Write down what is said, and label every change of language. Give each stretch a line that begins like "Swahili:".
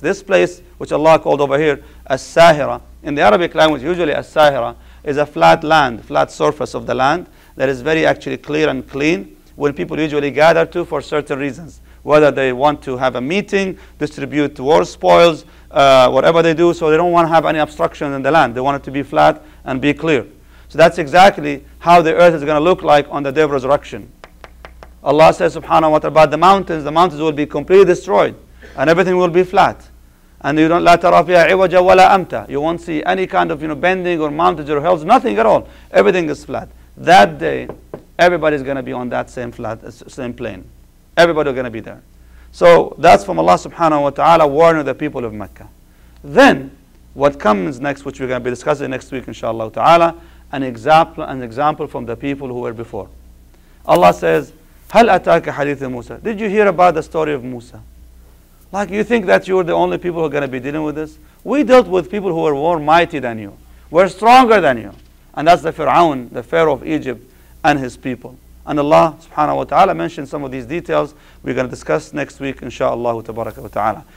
English: This place, which Allah called over here, As-Sahira, in the Arabic language, usually As-Sahira, is a flat land, flat surface of the land, that is very actually clear and clean, when people usually gather to for certain reasons, whether they want to have a meeting, distribute war spoils, whatever they do, so they don't want to have any obstruction in the land. They want it to be flat and be clear. So that's exactly how the earth is going to look like on the day of resurrection. Allah says, subhanahu wa ta'ala, about the mountains will be completely destroyed, and everything will be flat. And you don't,
Arabic: لا ترى فيها عوجا ولا أمتا.
English: You won't see any kind of, you know, bending or mountains or hills, nothing at all. Everything is flat. That day, everybody's going to be on that same flat, same plane. Everybody is going to be there. So that's from Allah subhanahu wa ta'ala warning the people of Mecca. Then, what comes next, which we're going to be discussing next week, inshallah ta'ala, an example from the people who were before. Allah says,
Arabic: هل أتاك حديث موسى?
English: Did you hear about the story of Musa? Like you think that you're the only people who are going to be dealing with this? We dealt with people who were more mighty than you. Were stronger than you. And that's the Fir'aun, the Pharaoh of Egypt and his people. And Allah subhanahu wa ta'ala mentioned some of these details. We're going to discuss next week inshallah tabaraka wa ta'ala.